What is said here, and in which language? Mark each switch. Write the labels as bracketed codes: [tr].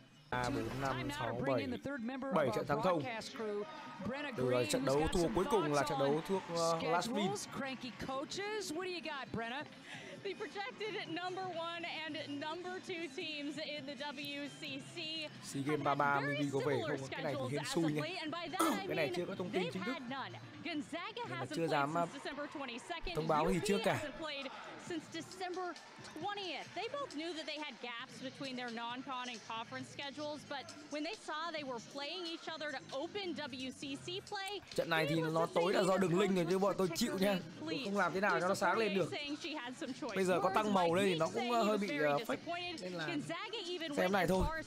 [vi] 3, 4, 5, 6, 7 trận thắng thông. Từ trận đấu thua cuối cùng là trận đấu thuộc Last Win. [en] The projected number one and number two teams in the WCC. [vi] SEA Games 33 mình đi có về không? Cái này thì hên xui nhỉ. Cái này chưa có thông tin chính thức. Nhưng mà chưa dám thông báo gì trước cả. [en] Since December 20th, they both knew that they had gaps between their non-con and conference schedules, but when they saw they were playing each other to open WCC play, [vi] trận này thì nó tối là do đường link rồi, chứ bọn tôi chịu nha, tôi không làm thế nào cho nó sáng lên được. Bây giờ có tăng màu lên thì nó cũng hơi bị fake, nên là xem này thôi.